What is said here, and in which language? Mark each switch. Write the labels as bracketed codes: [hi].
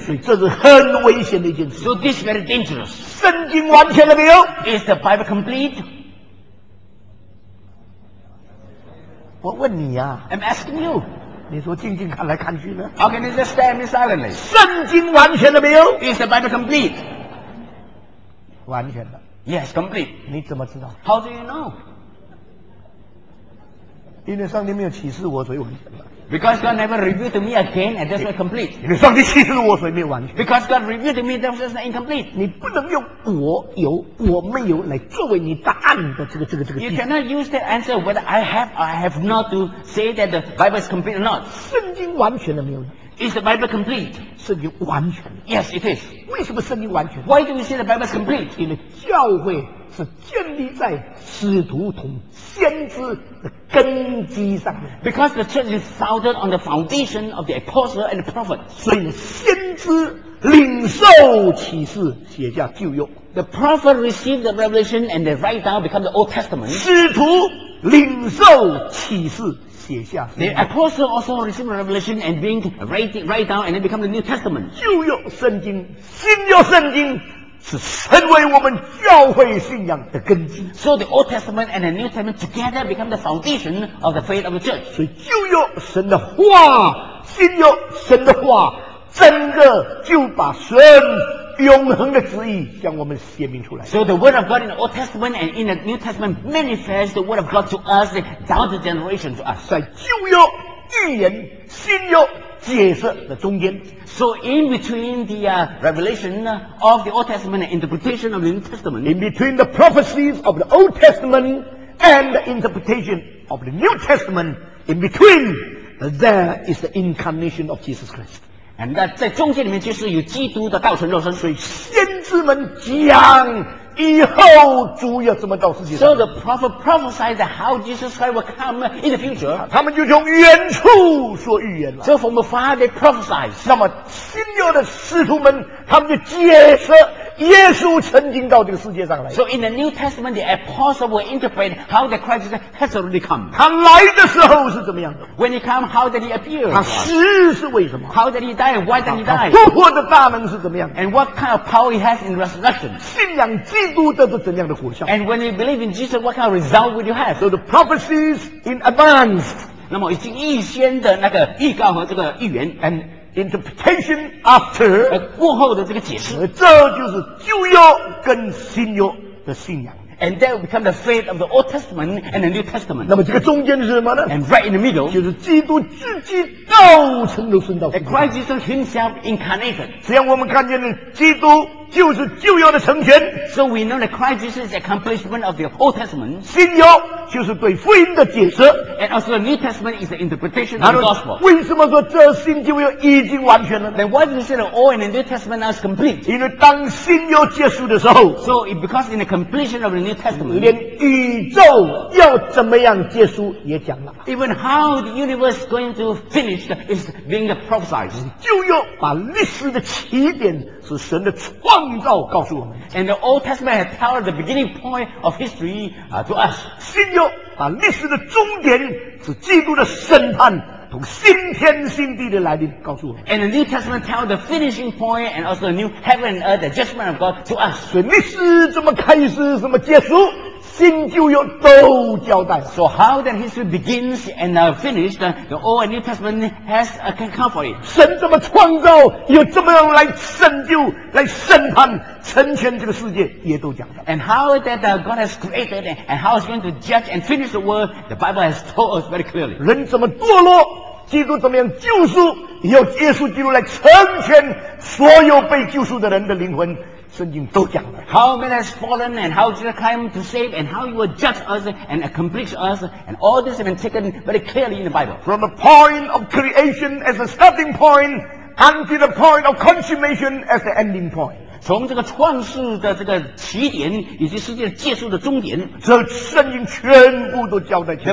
[zh] 所以这是很危险的一件事 [en] So this is very dangerous [zh] 圣经完全了没有 [en] Is the Bible complete [zh] 我问你啊 [en] I'm asking you [zh] 你说静静看来看去呢 [en] How can you just stand me silently [zh] 圣经完全了没有 [en] Is the Bible complete [zh] 完全了 [en] Yes complete [zh] 你怎么知道 [en] How do you know [zh] 因为上帝没有启示我所以完全了 [en] Because God never revealed to me again and that's not complete [zh] 因为上帝启示我所以没有完全 [en] Because God revealed to me that was incomplete [zh] 你不能用我有我没有来作为你答案的这个 [en] You cannot use that answer whether I have or I have not to say that the Bible is complete or not [zh] 圣经完全了没有呢 [en] Is the Bible complete [zh] 圣经完全了 [en] Yes it is [zh] 为什么圣经完全 [en] Why do we say the Bible is complete [zh] 因为教会是建立在使徒同先知的根基上面 [en] Because the church is founded on the foundation of the apostle and the prophet [zh] 所以先知领受启示写下旧约 [en] The prophet received the revelation and they write down become the Old Testament [zh] 使徒领受启示写下 [en] The apostle also received the revelation and being write down and then become the New Testament [zh] 旧约圣经新约圣经是成为我们教会信仰的根基。 [en] So the Old Testament and the New Testament together become the foundation of the faith of the church. [zh] 所以旧约神的话，新约神的话，整个就把神永恒的旨意向我们显明出来。 [en] So the word of God in the Old Testament and in the New Testament manifest the word of God to us down the generation to us. [zh] 在旧约预言，新约。解释的中间 [en] So in between the revelation of the Old Testament and interpretation of the New Testament In between the prophecies of the Old Testament and the interpretation of the New Testament In between there is the incarnation of Jesus Christ And that [zh] 在中间里面就是有基督的道成肉身所以先知们讲以后主要怎么到世界上 [en] So the prophet prophesied that how Jesus Christ will come in the future [zh] 他们就从远处说预言了 [en] So from afar they prophesied [zh] 那么新约的使徒们他们就解释耶稣曾经到这个世界上来。 [en] So in the New Testament, the apostle will interpret how the Christ has already come. [zh] 他来的时候是怎么样的？ [en] When he come, how did he appear? [zh] 他死是为什么？ [en] How did he die? Why did he die? [zh] 复活的大能是怎么样的？ [en] And what kind of power he has in resurrection? [zh] 信仰基督得到怎样的果效？ [en] And when you believe in Jesus, what kind of result will you have? So the prophecies in advance. [zh] 那么已经预先的那个预告和这个预言。 [en] And interpretation after [zh] 过后的这个解释，这就是旧约跟新约的信仰。 [en] And that become the faith of the Old Testament and the New Testament. [zh] 那么这个中间是什么呢？ [en] And right in the middle, [zh] 就是基督自己道成的圣道。 [en] And Christ Jesus Himself incarnated. [zh] 只要我们看见了基督就是旧约的成全。 [en] So we know that Christ Jesus is the accomplishment of the Old Testament. [zh] 新约就是对福音的解释。 [en] And also the New Testament is the interpretation of the Gospel. [zh] 为什么说这新旧约已经完全了？ [en] Then why does it say that all in the New Testament now is complete? [zh] 因为当新约结束的时候。 [en] So because in the completion of the New Testament, [zh] 连宇宙要怎么样结束也讲了。 [en] Even how the universe is going to finish is being prophesied. [zh] 旧约把历史的起点是神的创造告诉我们。 [en] And the Old Testament has told the beginning point of history to us. [zh] 新约把历史的终点是基督的审判从新天新地的来临告诉我们。 [en] And the New Testament tells the finishing point and also the new heaven and earth, the judgment of God to us. [zh] 所以历史怎么开始，怎么结束，新旧约都交代。 [en] So how that history begins and finished, the Old and New Testament has a account for it. [zh] 神怎么创造，又怎么样来拯救，来审判，成全这个世界，也都讲了。 [en] And how that God has created and how it's going to judge and finish the world, the Bible has told us very clearly. [zh] 人怎么堕落，基督怎么样救赎，由耶稣基督来成全所有被救赎的人的灵魂。圣经都讲了 [en] how man has fallen and how Jesus came to save and how he will judge us and accomplish us and all this has been taken very clearly in the Bible. From the point of creation as a starting point until the point of consummation as the ending point. [zh] 从这个创世的这个起点以及世界结束的终点，这圣经全部都交代清楚。